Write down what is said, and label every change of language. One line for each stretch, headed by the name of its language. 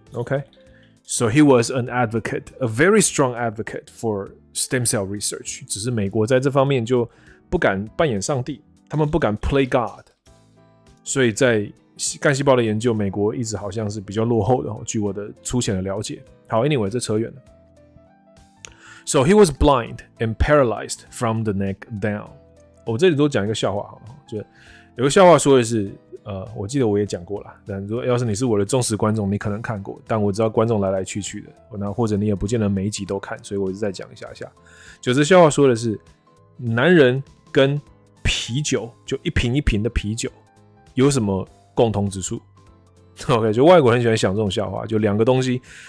English: OK， so he was an advocate, a very strong advocate for stem cell research。
Chinese: 只是美国在这方面就不敢扮演上帝，他们不敢
English: play God，
Chinese: 所以在干细胞的研究，美国一直好像是比较落后的。据我的粗浅的了解，好 ，anyway， 这扯远了。
English: So he was blind and paralyzed from the neck down。
Chinese: 我这里都讲一个笑话，好了，就有个笑话说的是，我记得我也讲过了。但如果要是你是我的忠实观众，你可能看过，但我知道观众来来去去的，那或者你也不见得每一集都看，所以我就再讲一下下。就这笑话说的是，男人跟啤酒，就一瓶一瓶的啤酒，有什么共同之处 ？OK， 就外国人喜欢想这种笑话，就两个东西。